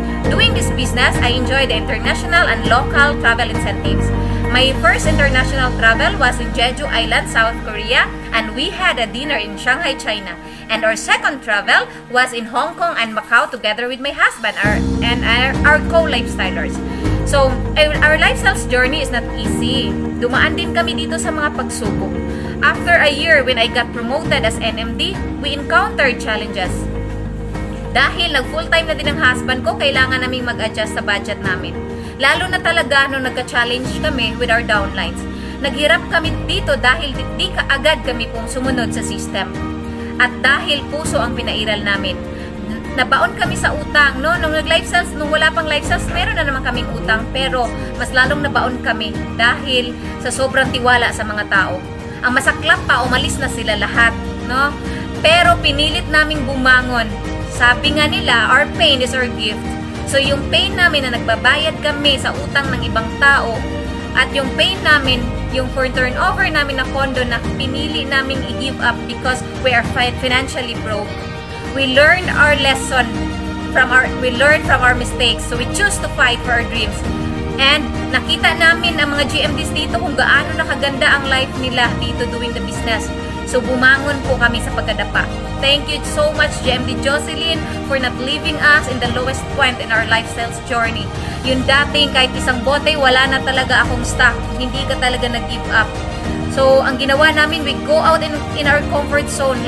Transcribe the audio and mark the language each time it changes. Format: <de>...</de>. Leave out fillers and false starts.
<en>Doing this business, I enjoy the international and local travel incentives. My first international travel was in Jeju Island, South Korea, and we had a dinner in Shanghai, China. And our second travel was in Hong Kong and Macau together with my husband and our co-lifestylers. So, our lifestyles journey is not easy.</en> <tl>Dumaan din kami dito sa mga pagsubok.</tl> <en>After a year when I got promoted as NMD, we encountered challenges.</en> <tl>Dahil nag-full-time na din ang husband ko, kailangan naming mag-adjust sa budget namin. Lalo na talaga nung nagka-challenge kami</tl> <en>with our downlines.</en> <tl>Naghirap kami dito dahil di kaagad kami pong sumunod sa system. At dahil puso ang pinairal namin. Nabaon kami sa utang. No? Nung nag-life sales, nung wala pang life sales, meron na naman kaming utang. Pero mas lalong nabaon kami dahil sa sobrang tiwala sa mga tao. Ang masaklap pa, umalis na sila lahat. No? Pero pinilit naming bumangon. Sabi nga nila,</tl> <en>our pain is our gift.</en> <tl>So yung pain namin na nagbabayad kami sa utang ng ibang tao at yung pain namin yung for turnover namin na pondo na pinili namin i-give up</tl> <en>because we are financially broke. We learn our lesson from our mistakes, so we choose to fight for our dreams.</en> <tl>And nakita namin ang mga GMDs dito kung gaano nakaganda ang life nila dito</tl> <en>doing the business.</en> <tl>So bumangon po kami sa pagkadapa.</tl> <en>Thank you so much, GMD Jocelyn, for not leaving us in the lowest point in our lifestyle's journey.</en> <tl>Yun dating, kahit isang bote, wala na talaga akong stock. Hindi ka talaga nag-give up.</tl> <en>So,</en> <tl>ang ginawa namin,</tl> <en>we go out in our comfort zone.</en>